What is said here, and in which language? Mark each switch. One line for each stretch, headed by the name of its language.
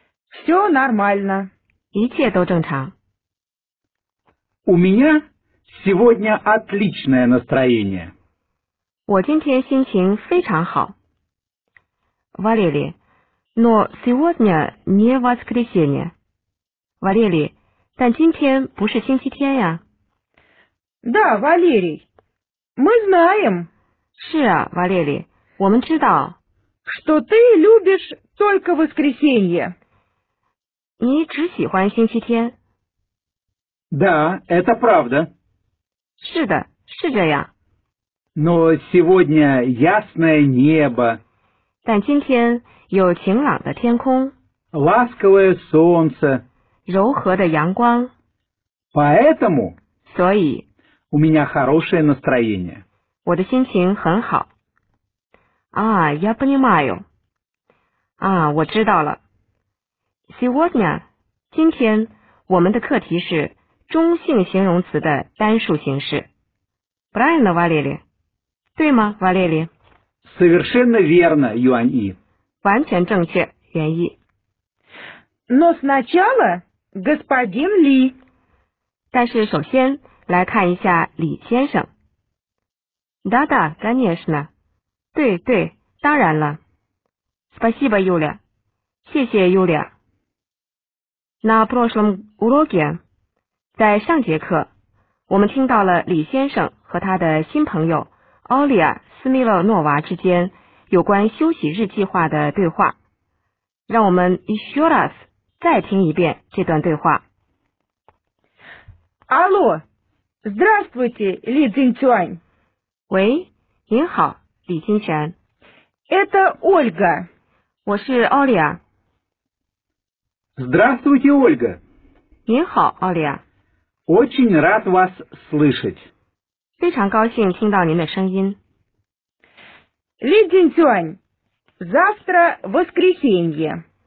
Russian: Все нормально.
Chinese: 一切都正常.
Russian: У меня сегодня отличное настроение.
Chinese: 我今天心情非常好.
Russian: Валерий, но сегодня не воскресенье.
Chinese: Валерий, 但今天不是星期天呀.
Russian: Да, Валерий. Мы знаем.
Chinese: 是啊，瓦列里，我们知道。
Russian: Что ты любишь только воскресенье?
Chinese: 你只喜欢星期天。
Russian: Да, это правда.
Chinese: 是的，是这样。
Russian: Но сегодня ясное небо.
Chinese: 但今天有晴朗的天空。
Russian: Ласковое солнце.
Chinese: 柔和的阳光。
Russian: Поэтому.
Chinese: 所以。
Russian: У меня хорошее настроение.
Chinese: 我的心情很好。啊，
Russian: я понимаю。
Chinese: 啊，我知道了。
Russian: Сегодня,
Chinese: 今天我们的课题是中性形容词的单数形式。
Russian: Правильно, Валерий?
Chinese: 对吗,
Russian: Валерий? Совершенно верно, Юань Yi.
Chinese: 完全正确, Юань Yi.
Russian: Но сначала, господин Ли.
Chinese: 但是首先来看一下李先生。
Russian: Да, да, конечно.
Chinese: 对对，当然了。
Russian: Спасибо, Юля.
Chinese: 谢谢
Russian: Юля. На прошлом уроке,
Chinese: 在上节课，我们听到了李先生和他的新朋友奥利亚斯米勒诺娃之间有关休息日计划的对话。让我们
Russian: еще раз
Chinese: 再听一遍这段对话。
Russian: Алло, здравствуйте, Ли Цзиньчуань.
Chinese: 喂，您好，李金泉。
Russian: Это Ольга.
Chinese: 我是奥利亚。
Russian: Здравствуйте, Ольга.
Chinese: 您好，奥利亚。
Russian: Очень рад вас слышать.
Chinese: 非常高兴听到您的声音。
Russian: Ли Цзиньчуань, завтра воскресенье.